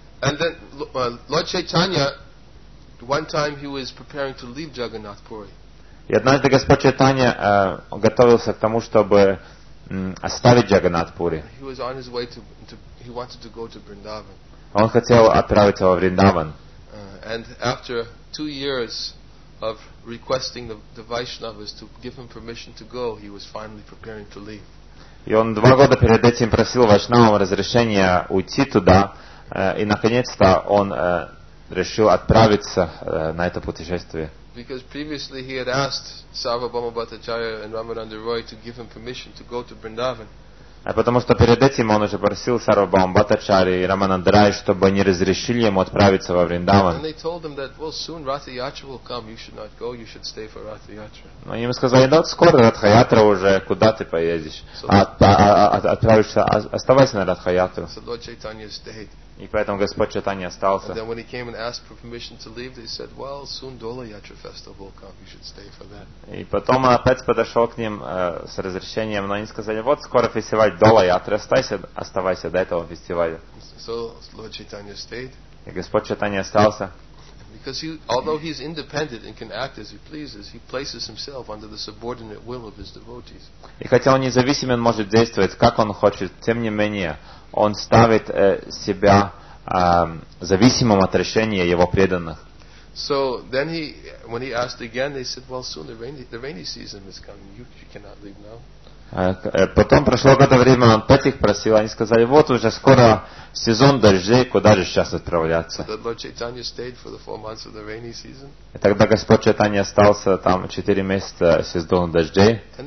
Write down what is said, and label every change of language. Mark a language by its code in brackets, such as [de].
[en] And then Lord Chaitanya, one time he was preparing to leave Jagannath Puri. [ru] И однажды Господь Чайтанья готовился к тому, чтобы оставить Джаганнат Пури. [en] He was on his way he wanted to go to Vrindavan. [ru] Он хотел отправиться во Вриндаван. [en] And after 2 years of requesting the Vaishnavas to give him permission to go, he was finally preparing to leave. [ru] И он 2 года перед этим просил Вайшнавам разрешения уйти туда, и наконец-то он решил отправиться на это путешествие. [en] Because previously he had asked Sarvabhauma Bhattacharya and Ramananda Roy to give him permission to go to Vrindavan. [ru] Потому что перед этим он уже просил Сарвабхаума Бхаттачарью и Рамананда Рая, чтобы они разрешили ему отправиться во Вриндаван. [en] And they told him that, well, soon Ратха Ятра will come, you should not go, you should stay for Ратха Ятра. [ru] Но они ему сказали, да, скоро Ратха Ятра уже, куда ты поедешь? Отправишься, оставайся на Ратха Ятру. [en] So Lord Chaitanya stayed. [ru] И поэтому Господь Чайтанья остался. [en] And then when he came and asked for permission to leave, they said, well, soon Dola Yatra festival will come, you should stay for that. [ru] И потом он опять подошел к ним с разрешением, но они сказали, вот скоро фестиваль Дола Ятра, оставайся до этого фестиваля. [en] So Lord Chaitanya stayed. [ru] И Господь Чайтанья остался. [en] Because although he's independent and can act as he pleases, he places himself under the subordinate will of his devotees. [ru] И хотя он независимый, он может действовать как он хочет, тем не менее он ставит себя зависимым от решения его преданных. [en] So then when he asked again, they said, well, soon the rainy season is coming, you cannot leave now. [ru] Потом прошло какое-то время, он опять их просил, они сказали, вот уже скоро сезон дождей, куда же сейчас отправляться? И тогда Господь Чайтанья остался там 4 месяца сезона дождей.